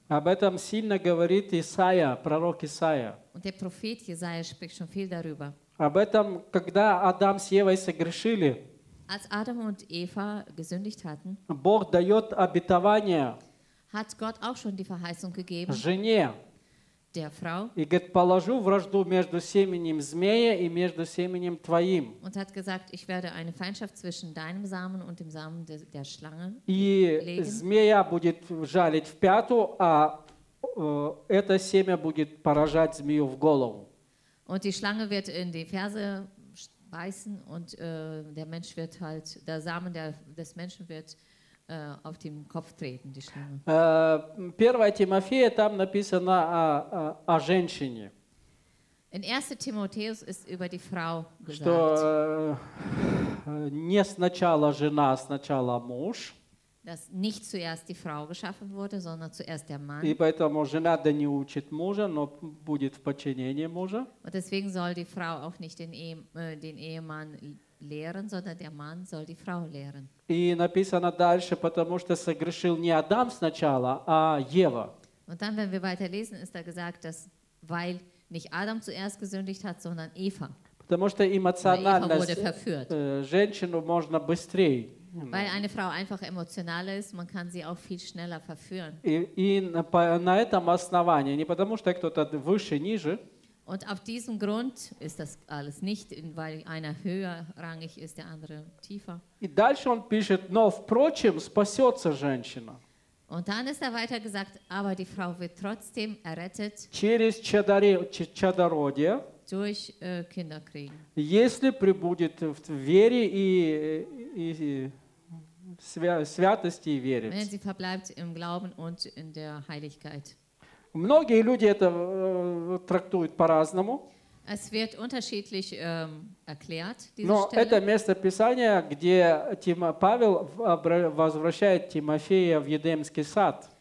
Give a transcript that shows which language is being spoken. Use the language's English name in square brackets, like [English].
[Russian] Об этом сильно говорит Исаия, пророк Исаия. [German] Und der Prophet Jesaja spricht schon viel darüber. [Russian] Об этом, когда Адам с Евой согрешили, [German] als Adam und Eva gesündigt hatten, [Russian] Бог дает обетование, [German] hat Gott auch schon die Verheißung gegeben, [Russian] жене, [German] der Frau, [Russian] и говорит, положу вражду между семенем змея и между семенем твоим. [German] Und hat gesagt, ich werde eine Feindschaft zwischen deinem Samen und dem Samen der Schlange legen. [Russian] И змея будет жалить в пяту, а это семя будет поражать змею в голову. [German] Und die Schlange wird in die Ferse beißen und der Mensch wird halt, der Samen des Menschen wird auf dem Kopf treten, die Schlange. 1. [Russian] Timotheus, там написано о женщине. [German] In 1. Timotheus ist über die Frau gesagt. [Russian] Что не сначала жена, а сначала муж. [German] Dass nicht zuerst die Frau geschaffen wurde, sondern zuerst der Mann. [Russian] И поэтому жена да не учит мужа, но будет в подчинении мужа. [German] Und deswegen soll die Frau auch nicht den Ehemann lehren, sondern der Mann soll die Frau lehren. [Russian] И написано дальше, потому что согрешил не Адам сначала, а Ева. [German] Und dann, wenn wir weiterlesen, ist da gesagt, dass weil nicht Adam zuerst gesündigt hat, sondern Eva. [Russian] Потому что эмоционально женщину можно быстрее. [German] Weil eine Frau einfach emotionaler ist, man kann sie auch viel schneller verführen. [Russian] На этом основании, не потому что кто-то выше, ниже. [German] Und auf diesem Grund ist das alles nicht, weil einer höher rangig ist, der andere tiefer. [Russian] И дальше он пишет, но впрочем спасется женщина. [German] Und dann ist weiter gesagt, aber die Frau wird trotzdem errettet. [Russian] Через чадородие. [German] Durch Kinderkriegen. [Russian] Если прибудет в вере и святости и вере. [German] Wenn sie verbleibt im Glauben und in der Heiligkeit. [Russian] Многие люди это трактуют по-разному. [German] Es wird unterschiedlich erklärt, diese [Russian] Но [German] Stelle. [Russian] Это место Писания, где Павел возвращает Тимофея в Едемский сад.